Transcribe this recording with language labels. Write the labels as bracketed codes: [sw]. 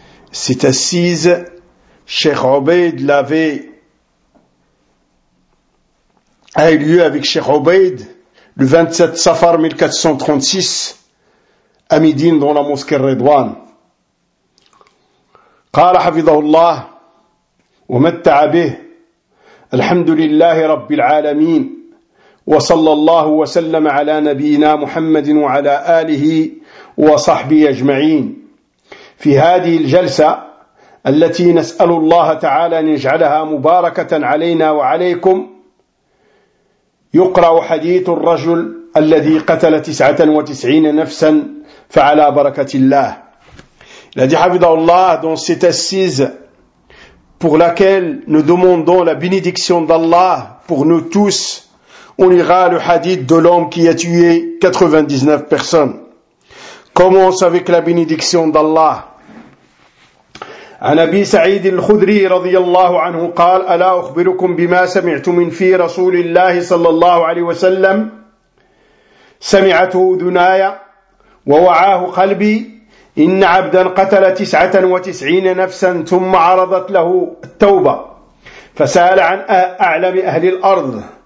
[fr] Cette assise, Cheikh Ubayd l'avait, a eu lieu avec Cheikh Ubayd le 27 Safar 1436 à Médine dans la mosquée Redouan. [ar] قال حفظه الله ومتع به الحمد لله رب العالمين وصلى الله وسلم على نبينا محمد وعلى آله وصحبه أجمعين. في هذه الجلسة التي نسأل الله تعالى أن يجعلها مباركة علينا وعليكم، يقرأ حديث الرجل الذي قتل 99 نفسا فعلى بركة الله. [fr] Il a dit, Habibullah, dans cette assise pour laquelle nous demandons la bénédiction d'Allah pour nous tous, on lira le hadith de l'homme qui a tué 99 personnes. Commence avec la bénédiction d'Allah. [ar] عن أبي سعيد الخدري رضي الله عنه قال ألا أخبركم بما سمعت من في رسول الله صلى الله عليه وسلم سمعته أذناي ووعاه قلبي إن عبدا قتل 99 نفسا ثم عرضت له التوبة فسأل عن أعلم أهل الأرض